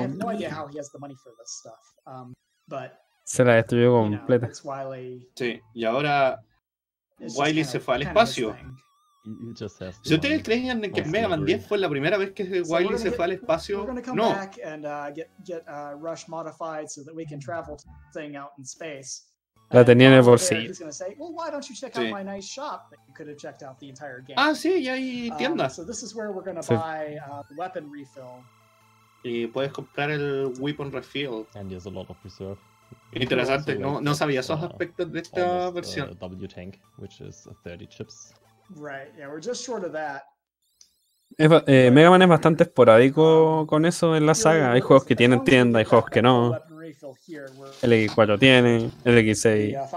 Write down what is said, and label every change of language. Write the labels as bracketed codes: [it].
[en] I have no idea how he has the money for this stuff. But [es] se la destruyó completa. [en] You know, Wily, [es] sí, y ahora Wily [en] kind of, [es] se fue al espacio. Si ustedes creen que Mega Man 10 fue la primera vez que Wily se fue al espacio, no. [en] And, get Rush modified so that we can travel to the thing out in space. [es] La tenía en el bolsillo. [en] He's gonna say, well, why don't you check out my nice shop that you could have checked out the entire game? [es] Ah, sí, ya hay tienda. [en] So this is where we're gonna buy weapon refill. [es] Y puedes comprar el weapon refill. [en] And there's a lot of reserve. [es] Interesante, no sabía esos aspectos de esta versión. [en] W tank, which is 30 chips. Right, yeah, we're just short of that. [es] Mega Man es bastante esporádico con eso en la saga. Hay juegos que tienen tienda, hay juegos que no. El X4 tiene, el X6.